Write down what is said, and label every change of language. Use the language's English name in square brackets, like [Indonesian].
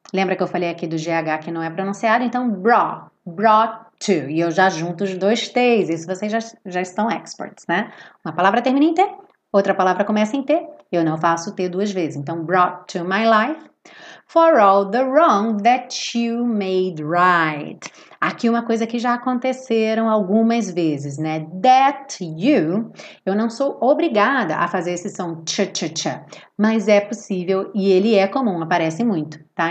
[Portuguese] Lembra que eu falei aqui do GH que não é pronunciado? Então, brought. To, e eu já junto os dois T's, isso vocês já estão experts, né? Uma palavra termina em T, outra palavra começa em T, eu não faço T duas vezes. [English] Então, brought to my life, for all the wrong that you made right. [Portuguese] Aqui uma coisa que já aconteceram algumas vezes, né? That you, eu não sou obrigada a fazer esse som ch-ch-ch, mas é possível e ele é comum, aparece muito, tá?